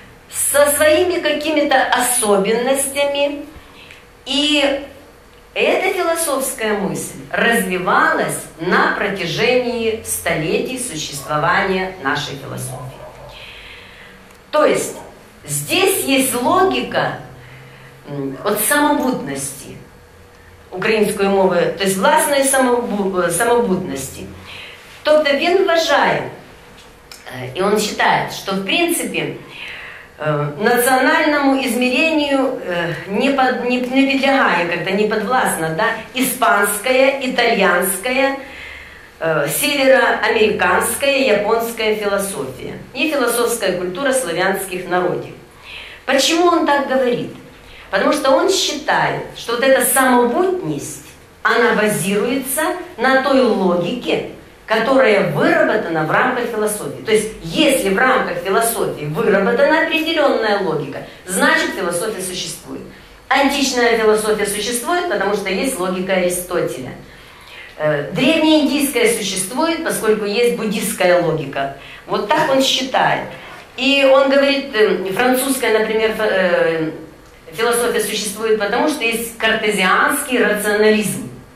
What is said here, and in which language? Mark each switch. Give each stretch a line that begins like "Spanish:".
Russian: со своими какими-то особенностями, и эта философская мысль развивалась на протяжении столетий существования нашей философии. То есть здесь есть логика от самобытности украинской мовы, то есть властной самобытности.
Ukrainian: Тобто він вважає, і він вважає, що в принципі національному ізміренню не підлягає, як-то не підвласна, да, іспанська, італійська, североамериканська, японська філософія і філософська культура славянських народів. Чому він так говорить? Тому що він вважає, що ця самобутність, вона базується на той логіці,
Russian: которая выработана в рамках философии. То есть, если в рамках философии выработана определенная логика, значит, философия существует. Античная философия существует, потому что есть логика Аристотеля. Древнеиндийская существует, поскольку есть буддийская логика. Вот так он считает. И он говорит, французская, например, философия существует, потому что есть картезианский рационализм.